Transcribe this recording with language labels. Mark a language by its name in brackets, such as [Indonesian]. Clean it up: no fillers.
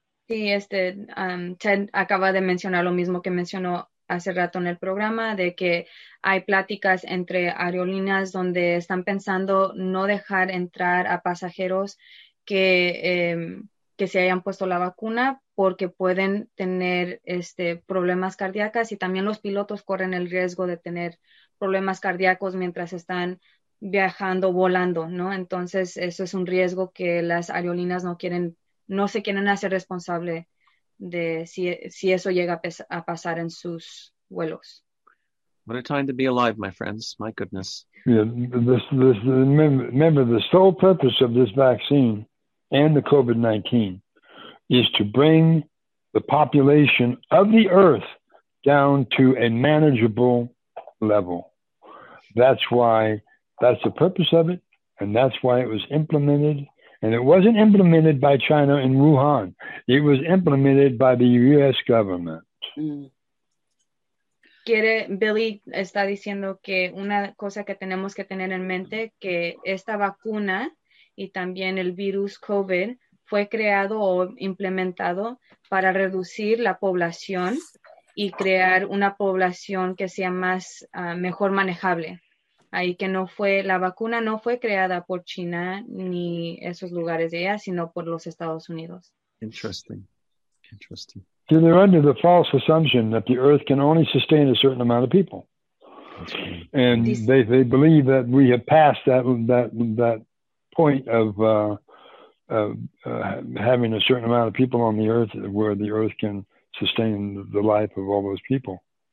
[Spanish] Sí, Ted acaba de mencionar lo mismo que mencionó hace rato en el programa, de que hay pláticas entre aerolíneas donde están pensando no dejar entrar a pasajeros que se hayan puesto la vacuna porque pueden tener problemas cardíacos y también los pilotos corren el riesgo de tener problemas cardíacos mientras están viajando, volando, ¿no? Entonces, eso es un riesgo que las aerolíneas no quieren, no se quieren hacer responsable de si eso llega a pasar en sus vuelos. [English] What a time to be alive, my friends. My goodness. Yeah, remember, the sole purpose of this vaccine and the COVID-19 is to bring the population of the earth down to a manageable level. That's the purpose of it, and that's why it was implemented. And it wasn't implemented by China in Wuhan. It was implemented by the U.S. government. [Spanish] Billy está diciendo que una cosa que tenemos que tener en mente, que esta vacuna y también el virus COVID fue creado o implementado para reducir la población y crear una población que sea más mejor manejable. Ahí que no fue, la vacuna no fue creada por China ni esos lugares de allá, sino por los Estados Unidos. [English] Interesting. So they're under the false assumption that the earth can only sustain a certain amount of people. And they believe that we have passed that point of having a certain amount of people on the earth where the earth can sustain the life of all those people.